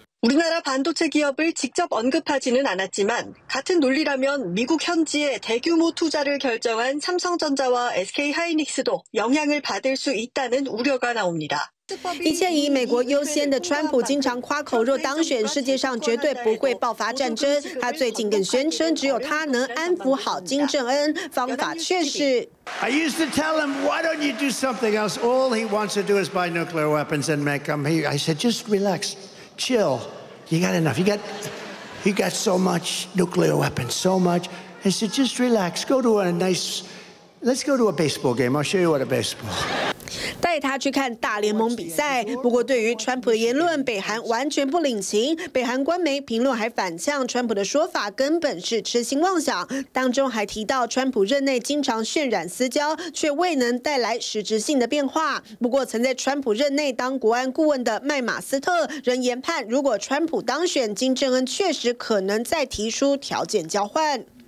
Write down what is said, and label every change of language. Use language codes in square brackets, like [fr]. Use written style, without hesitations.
[ko] 우리나라반도체기업을직접언급하지는않았지만같은논리라면미국현지에대규모투자를결정한삼성전자와 SK 하이닉스도영향을받을수있다는우려가나옵니다 [zh] 一切以美国优先的川普经常夸口，若当选，世界上绝对不会爆发战争。他最近更宣称，只有他能安抚好金正恩，方法却是。 [en] I used to tell him, why don't you do something else? All he wants to do is buy nuclear weapons and make them. I said, just relax, chill. You got enough. You got so much nuclear weapons, so much. I said, just relax. Go to a nice. Let's go to a baseball game. I'll show you what a baseball. [zh] 带他去看大联盟比赛。不过对于川普的言论，北韩完全不领情。北韩官媒评论还反呛川普的说法根本是痴心妄想，当中还提到川普任内经常渲染私交，却未能带来实质性的变化。不过曾在川普任内当国安顾问的麦马斯特仍研判，如果川普当选，金正恩确实可能再提出条件交换。